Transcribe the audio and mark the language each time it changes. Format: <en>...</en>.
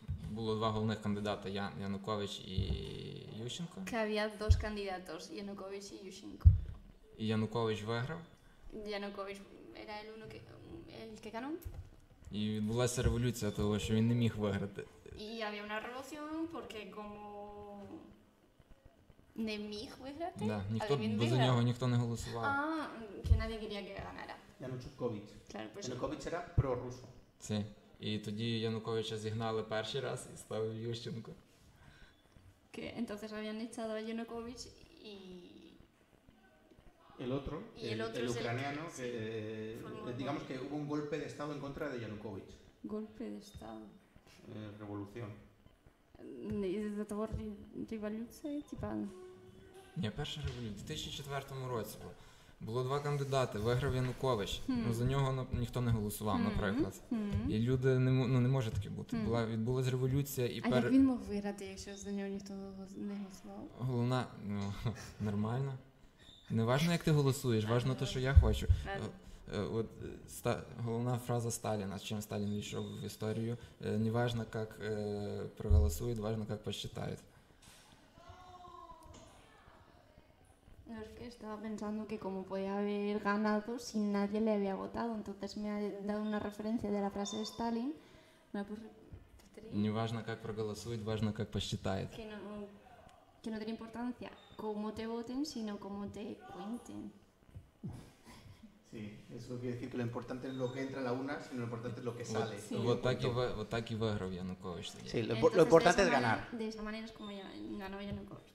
<uk>Було два головних кандидата, Янукович і Ющенко.</uk> <es>Que había dos candidatos, Янукович и Ющенко.</es> <uk>І Янукович виграв.</uk> <es>Янукович era el uno que... El que ganó.</es> <uk>І відбулася революція того, що він не міг виграти.</uk> <es>І había una revolución porque como</es> <uk>не міг виграти. Да, ніхто за нього ніхто не голосував.</uk> <es>А, que nadie quería que ganara. Янукович. Claro, pues Янукович era прорусо. Sí.</es> <uk>І тоді Януковича зігнали перший раз і став Ющенко.</uk> <es>Que entonces habían echado a Янукович и El otro, el ucraniano, que, digamos que hubo un golpe de estado en contra de Yanukovych. ¿Golpe de estado? Revolución.</es> <ru>¿Из-за того революции, типа?</ru> <uk>Не, перша революция. В 2004 році було. Було два кандидати, виграв Янукович, за нього ніхто не голосував, наприклад. І люди, не може таке бути. Була, відбулася революція і... А як він мог виграти, якщо за нього ніхто не голосував? Головна, нормально. Не важно, як ти голосуєш, важно те, що я хочу. От головна фраза Сталіна, чим Сталін війшов в історію. Не важно, як проголосують, важно, як посчитають.</uk> <es>Es que estaba pensando que como podía haber ganado si nadie le había votado, entonces me ha dado una referencia de la frase de Stalin.</es> <uk>Не важно, як проголосують, важно, як посчитають.</uk> <es>Que no tiene importancia cómo te voten, sino cómo te cuenten. Sí, eso quiere decir que lo importante es lo que entra a la una, sino lo importante es lo que sale. Sí,</es> <ru>так и выиграл Янукович.</ru> <es>Sí, lo importante es ganar. De esa manera es como ganó Янукович.</es>